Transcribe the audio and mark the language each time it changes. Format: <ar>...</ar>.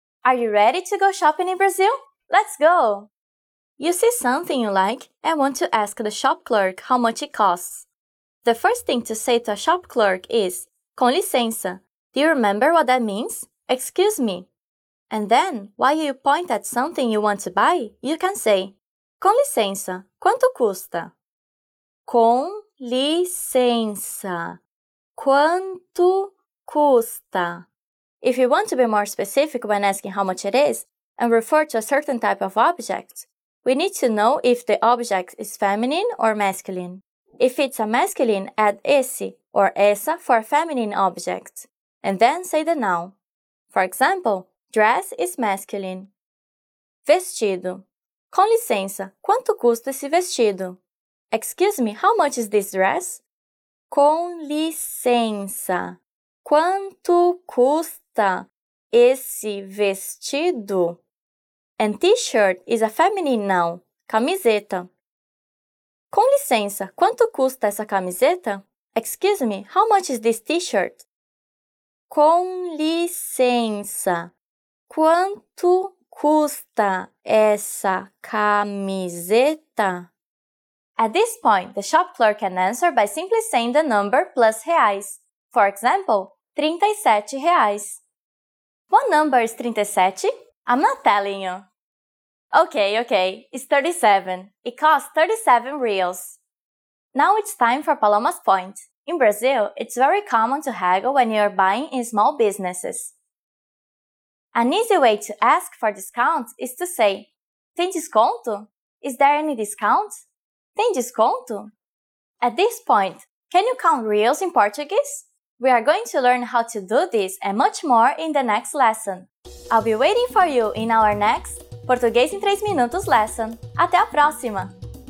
<en>Are you ready to go shopping in Brazil? Let's go! You see something you like and want to ask the shop clerk how much it costs. The first thing to say to a shop clerk is,</en> <pt>com licença.</pt> <en>Do you remember what that means? Excuse me. And then, while you point at something you want to buy, you can say,</en> <pt>com licença, quanto custa? Com licença, quanto custa?</pt> <en>If you want to be more specific when asking how much it is and refer to a certain type of object, we need to know if the object is feminine or masculine. If it's a masculine, add esse or essa for a feminine object, and then say the noun. For example, dress is masculine.</en> <pt>Vestido. Com licença, quanto custa esse vestido?</pt> <en>Excuse me, how much is this dress?</en> <pt>Com licença, quanto custa esse vestido?</pt> <en>And t-shirt is a feminine noun, camiseta.</en> <pt>Com licença, quanto custa essa camiseta?</pt> <en>Excuse me, how much is this t-shirt?</en> <pt>Com licença, quanto custa essa camiseta?</pt> <en>At this point, the shop clerk can answer by simply saying the number plus reais. For example, 37 reais. What number is 37? I'm not telling you. Okay, it's 37. It costs 37 reais. Now it's time for Paloma's point. In Brazil, it's very common to haggle when you're buying in small businesses. An easy way to ask for discount is to say,</en> <pt>tem desconto?</pt> <en>Is there any discount?</en> <pt>Tem desconto?</pt> <en>At this point, can you count reais in Portuguese? We are going to learn how to do this and much more in the next lesson. I'll be waiting for you in our next Português em 3 Minutos lesson.</en> <pt>Até a próxima!</pt>